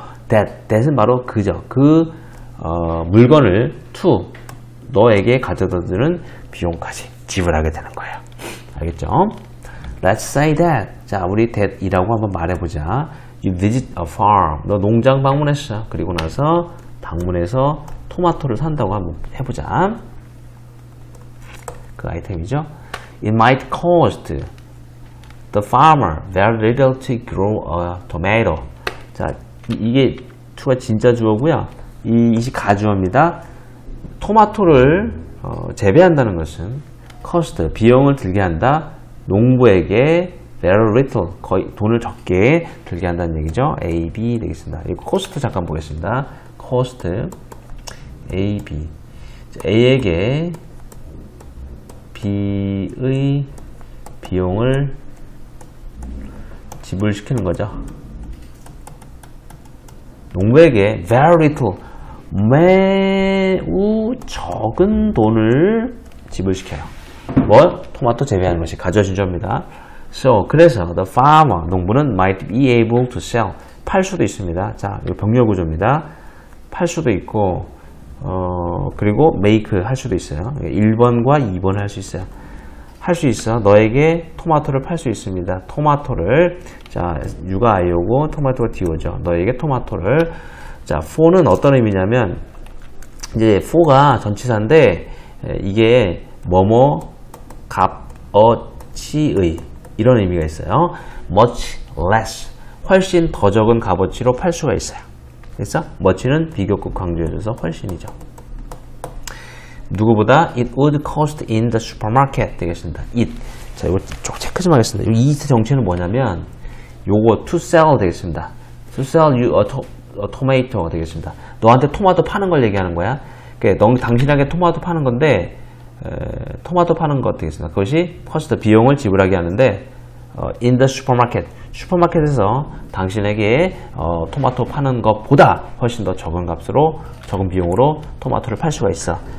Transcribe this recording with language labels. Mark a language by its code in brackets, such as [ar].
[ko] That은 바로 그죠. 그 물건을 to 너에게 가져다 주는 비용까지 지불하게 되는 거예요. 알겠죠? [en] Let's say that. [ko] 자, 우리 that이라고 한번 말해보자. [en] You visit a farm. [ko] 너 농장 방문했어. 그리고 나서 방문해서 토마토를 산다고 한번 해보자. 그 아이템이죠. [en] It might cost the farmer very little to grow a tomato. [ko] 자, 이게 to가 진짜 주어고요. 이 is 가주어입니다. 토마토를 재배한다는 것은 cost, 비용을 들게 한다. 농부에게 very little, 거의 돈을 적게 들게 한다는 얘기죠. A, B 되겠습니다. 이 cost 잠깐 보겠습니다. cost, A, B. A에게 B의 비용을 지불시키는 거죠. 농부에게 very little, 매우 적은 돈을 지불시켜요. 뭐? 토마토 재배하는 것이 가져오신 점입니다. So, 그래서 the farmer, 농부는 [en] might be able to sell, [ko] 팔 수도 있습니다. 자, 이거 병렬구조입니다. 팔 수도 있고 그리고 make 할 수도 있어요. 1번과 2번 할 수 있어요. 할 수 있어. 너에게 토마토를 팔 수 있습니다. 토마토를, 자, 유가 아이오고 토마토가 디오죠. 너에게 토마토를. 자, for는 어떤 의미냐면 이제 for가 전치사인데 이게 뭐뭐 값어치의 이런 의미가 있어요. much less, 훨씬 더 적은 값어치로 팔 수가 있어요. 됐어? much는 비교급 강조해줘서 훨씬이죠. 누구보다 [en] it would cost in the supermarket [ko] 되겠습니다. [en] it. [ko] 자, 이거 좀 체크 좀 하겠습니다. 이 it 정체는 뭐냐면 요거 to sell 되겠습니다. [en] to sell you a tomato [ko] 되겠습니다. 너한테 토마토 파는 걸 얘기하는 거야. 그러니까 당신에게 토마토 파는 건데 토마토 파는 것 되겠습니다. 그것이 cost, 비용을 지불하게 하는데 [en] in the supermarket, [ko] 슈퍼마켓에서 당신에게 토마토 파는 것보다 훨씬 더 적은 값으로, 적은 비용으로 토마토를 팔 수가 있어.